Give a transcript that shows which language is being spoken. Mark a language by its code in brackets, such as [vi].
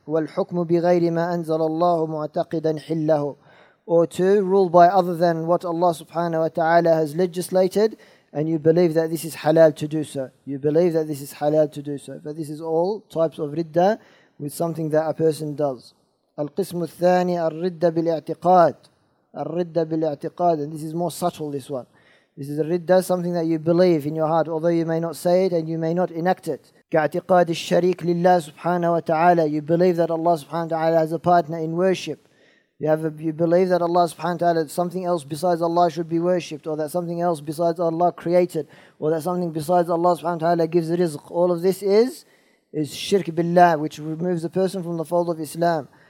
[ar] وَالْحُكْمُ بِغَيْرِ مَا أَنزَلَ اللَّهُ مُعْتَقِدًا حِلَّهُ, [en] or to rule by other than what Allah subhanahu wa ta'ala has legislated, and you believe that this is halal to do so. But this is all types of ridda with something that a person does. [ar] القسم الثاني الردة بالاعتقاد. [en] And this is more subtle, this one. This is a ridda, something that you believe in your heart, although you may not say it and you may not enact it. [ar] كاعتقاد الشريك لله سبحانه وتعالى. [en] You believe that Allah subhanahu wa ta'ala has a partner in worship. You believe that Allah subhanahu wa ta'ala, something else besides Allah should be worshipped, or that something else besides Allah created, or that something besides Allah subhanahu wa ta'ala gives rizq. All of this is shirk billah, which removes a person from the fold of Islam.